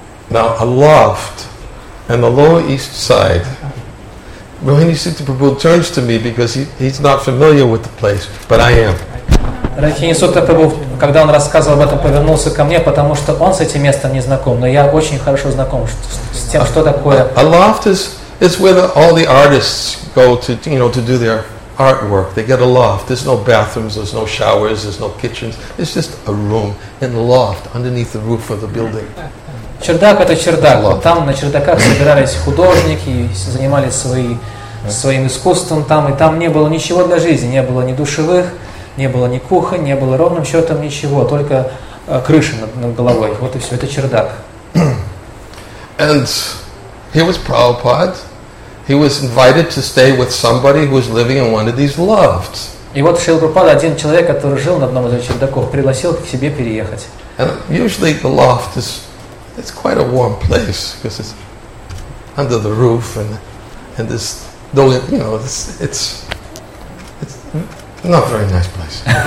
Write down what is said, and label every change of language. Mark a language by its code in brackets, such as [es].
[en] Now a loft and the lower east side. Rohini Sita Prabhu turns to me because he's not familiar with the place, but I am. [ru] Рахини Сута Прабху, когда он рассказывал об этом, повернулся ко мне, потому что он с этим местом не знаком, но я очень хорошо знаком с тем, что такое. [en] A loft is where all the artists go to, you know, to do their artwork. They get a loft. There's no bathrooms, there's no showers, there's no kitchens. It's just a room in the loft underneath the roof of the building. [ru] Чердак — это чердак. Там на чердаках собирались художники и занимались своим искусством там, и там не было ничего для жизни, не было ни душевых, не было ни кухонь, не было ровным счетом ничего, только крыша над головой. Вот и все, это чердак. [en] And he was Prabhupada. He was invited to stay with somebody who was living in one of these lofts. [ru] И вот Шрила Прабхупада, один человек, который жил на одном из этих чердаков, пригласил к себе переехать. [en] And usually the loft is quite a warm place because it's under the roof and this, though, you know, it's not a very nice place.